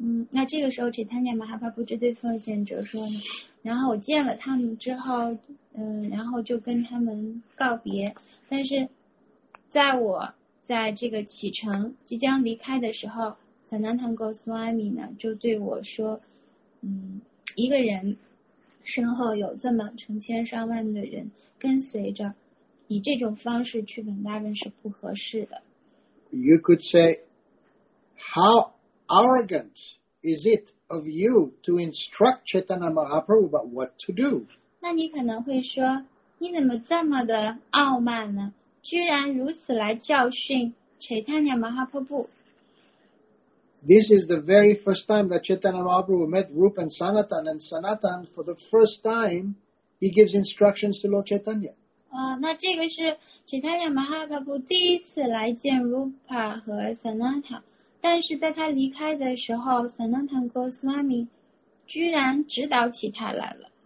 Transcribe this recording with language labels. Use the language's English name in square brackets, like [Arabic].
[Chinese] 那这个时候 Chaitanya Mahaprabhu 这对奉献者说呢，然后我见了他们之后，然后就跟他们告别，但是在我在这个启程即将离开的时候 ，Sanatan Goswami 呢就对我说：“一个人身后有这么成千上万的人跟随着，以这种方式去Vrindavan是不合适的。” [English] You could say, how arrogant is it of you to instruct Chaitanya Mahaprabhu about what to do? [Chinese] 那你可能会说，你怎么这么的傲慢呢？居然如此来教训 Chaitanya Mahaprabhu. [English] This is the very first time that Chaitanya Mahaprabhu met Rupa and Sanatan, and Sanatan, for the first time, he gives instructions to Lord Chaitanya. [Chinese] 那这个是 Chaitanya Mahaprabhu 第一次来见 Rupa 和 Sanatan, 但是在他离开的时候 ,Sanatan Goswami 居然指导起他来了。